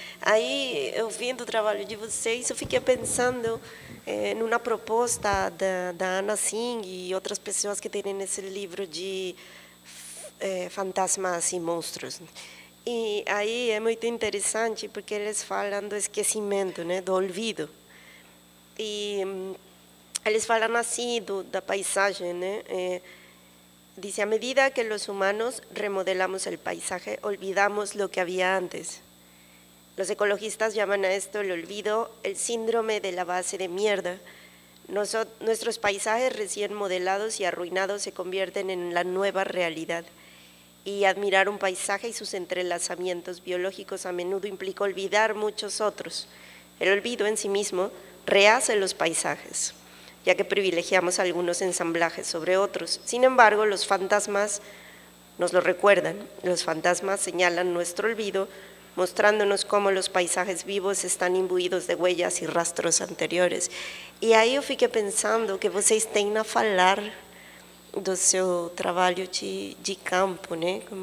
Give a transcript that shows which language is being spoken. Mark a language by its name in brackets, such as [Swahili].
[Portuguese] Aí, ouvindo o trabalho de vocês, eu fiquei pensando numa proposta da Anna Singh e outras pessoas que têm esse livro de fantasmas e monstros. E aí é muito interessante, porque eles falam do esquecimento, né, do olvido. E eles falam assim da paisagem, né? [Spanish] Dice, a medida que los humanos remodelamos el paisaje, olvidamos lo que había antes. Los ecologistas llaman a esto el olvido, el síndrome de la base de mierda. Nuestros paisajes recién modelados y arruinados se convierten en la nueva realidad. Y admirar un paisaje y sus entrelazamientos biológicos a menudo implica olvidar muchos otros. El olvido en sí mismo rehace los paisajes, ya que privilegiamos algunos ensamblajes sobre otros. Sin embargo, los fantasmas nos lo recuerdan. Los fantasmas señalan nuestro olvido, mostrándonos cómo los paisajes vivos están imbuidos de huellas y rastros anteriores. Y ahí yo [Portuguese] fiquei pensando que vocês têm a falar do seu trabalho de campo, né?